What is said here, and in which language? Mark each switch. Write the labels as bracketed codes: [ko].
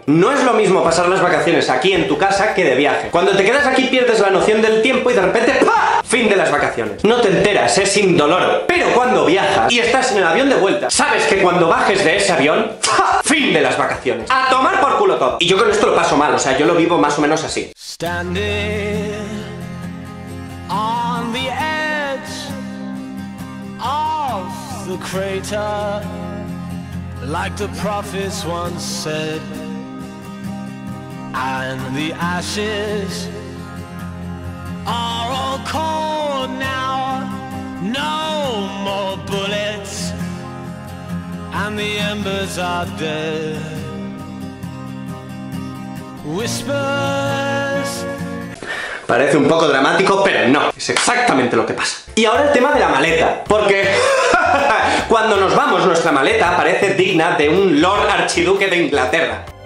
[es] No es lo mismo pasar las vacaciones aquí en tu casa que de viaje. Cuando te quedas aquí pierdes la noción del tiempo y de repente ¡pah! Fin de las vacaciones. No te enteras, es indoloro. Pero cuando viajas y estás en el avión de vuelta, sabes que cuando bajes de ese avión ¡pah! Fin de las vacaciones. A tomar por culo todo. Y yo con esto lo paso mal, o sea, yo lo vivo más o menos así. [en] Standing on the edge of the crater, like the prophets once said, and the ashes are all cold now, no more bullets, and the embers are dead. Whispers. [es] Parece un poco dramático, pero no, es exactamente lo que pasa. Y ahora el tema de la maleta, porque cuando nos vamos, nuestra maleta parece digna de un Lord Archiduque de Inglaterra.